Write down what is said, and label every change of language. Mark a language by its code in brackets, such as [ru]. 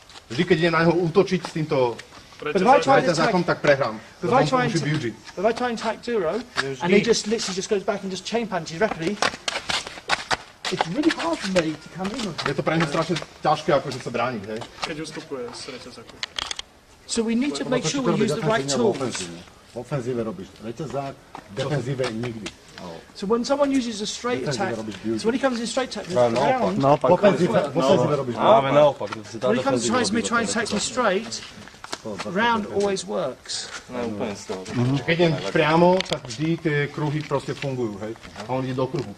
[sk] Vždy, keď idem na neho útočiť s týmto zákon, tak prehrám. [en] If I try and attack Duro, and he just literally just goes back and just chain punches rapidly, it's really hard for me to come in. [sk] Je to pre neho strašne ťažké akože sa brániť, hej? Keď ustupuje z reťazáku. [en] So we need to make sure we use the right tools. [sk] V ofenzíve robíš reťazák, v defenzíve nikdy. [en] So when someone uses a straight attack, so when he comes in straight attack, round, [sk] naopak. [en] When he comes and tries to attack me straight, round always works. [sk] Keď idem priamo, tak vždy tie kruhy proste fungujú, hej? A on ide do kruhu.